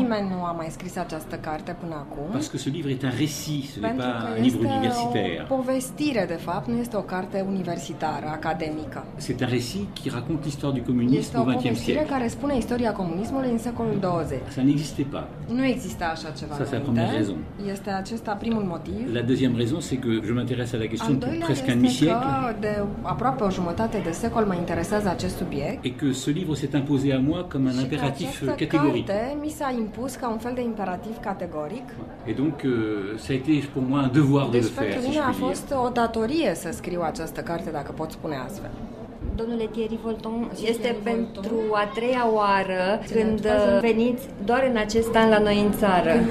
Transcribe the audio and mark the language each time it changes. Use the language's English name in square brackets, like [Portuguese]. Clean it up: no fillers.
[Romanian] Nimeni nu a mai scris această carte până acum. [French] Parce que ce livre est un récit, ce n'est pas un livre universitaire. [Romanian] Pentru că este o povestire, de fapt, nu este o carte universitară, academică. [French] C'est un récit qui raconte l'histoire du communisme au XXe siècle. [Romanian] Este o povestire care spune istoria comunismului în secolul 20. [French] Ça n'existait pas. [Romanian] Nu exista așa ceva. [French] Ça, c'est la première raison. [Romanian] Este acesta primul motiv. [French] La deuxième raison, c'est que je m'intéresse à la question depuis presque un demi-siècle. [Romanian] De aproape o jumătate de secol mă interesează acest subiect. [French] Et que ce livre s'est imposé à moi comme un impératif catégorique. [Romanian] Mi s-a impus ca un fel de imperativ categoric. [French] Et donc ça a été pour moi un devoir de le faire. [Romanian] Deci pentru mine a fost o datorie să scriu această carte, dacă pot spune astfel. Domnule Thierry Vollton, este pentru a treia oară când veniți doar în acest an la noi în țară.